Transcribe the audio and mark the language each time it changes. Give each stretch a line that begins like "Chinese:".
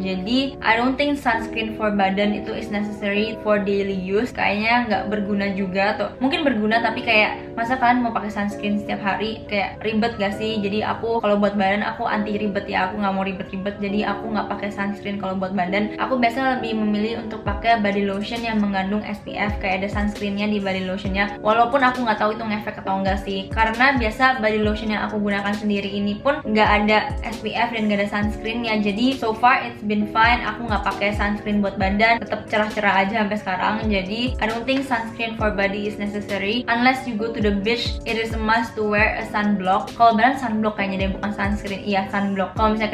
English: Jadi, I don't think sunscreen for
Indonesian: badan itu
English: is necessary for daily use.
Indonesian: Kayaknya gak berguna juga. Atau mungkin berguna, tapi kayak masa kalian mau pakai sunscreen setiap hari? Kayak ribet gak sih? Jadi aku kalau buat badan, aku anti ribet ya. Aku nggak mau ribet-ribet, jadi aku nggak pakai sunscreen kalau buat badan. Aku biasa lebih memilih untuk pakai body lotion yang mengandung SPF, kayak ada sunscreennya di body lotionnya. Walaupun aku nggak tahu itu ngefek atau enggak sih, karena biasa body lotion yang aku gunakan sendiri ini pun nggak ada SPF dan nggak ada sunscreennya. Jadi
English: so far it's been fine.
Indonesian: Aku nggak pakai sunscreen buat badan, tetap cerah-cerah aja sampai sekarang.
English: Jadi I don't think sunscreen for body is necessary unless you go to the beach. It is a must to wear a sunblock.
Indonesian: Kalau badan sunblock kayaknya deh, bukan sunscreen. Iya, sunblock. Kalau misalnya